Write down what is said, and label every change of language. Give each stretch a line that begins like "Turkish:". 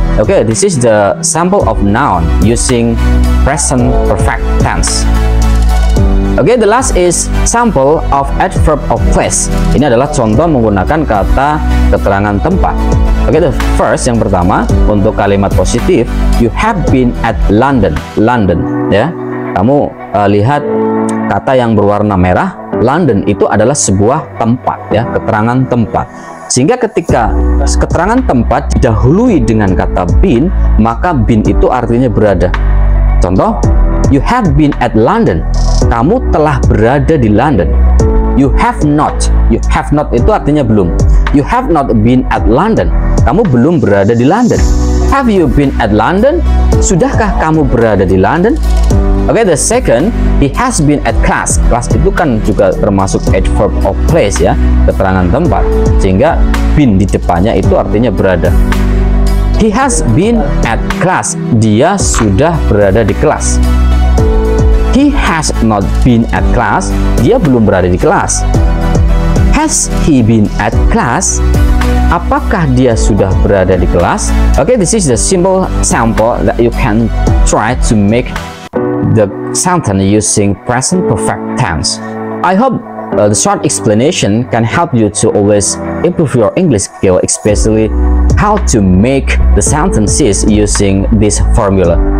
English: Okay, this is the sample of noun using present perfect tense. Okay, the last is sample of adverb of place.
Indonesian: Ini adalah contoh menggunakan kata keterangan tempat.
English: Okay, the first,
Indonesian: yang pertama, untuk kalimat positif,
English: you have been at London. London, ya.
Indonesian: Kamu lihat kata yang berwarna merah, London itu adalah sebuah tempat, ya, keterangan tempat. Sehingga ketika keterangan tempat didahului dengan kata been, maka been itu artinya berada.
English: Contoh, you have been at London.
Indonesian: Kamu telah berada di London.
English: You have not. You have not
Indonesian: itu artinya belum.
English: You have not been at London.
Indonesian: Kamu belum berada di London.
English: Have you been at London?
Indonesian: Sudahkah kamu berada di London?
English: Okay, the second, he has been at class.
Indonesian: Class itu kan juga termasuk adverb of place ya, keterangan tempat. Sehingga been di depannya itu artinya berada.
English: He has been at class.
Indonesian: Dia sudah berada di kelas.
English: He has not been at class.
Indonesian: Dia belum berada di kelas.
English: Has he been at class?
Indonesian: Apakah dia sudah berada di kelas?
English: Okay, this is the simple sample that you can try to make the sentence using present perfect tense. I hope the short explanation can help you to always improve your English skill, especially how to make the sentences using this formula.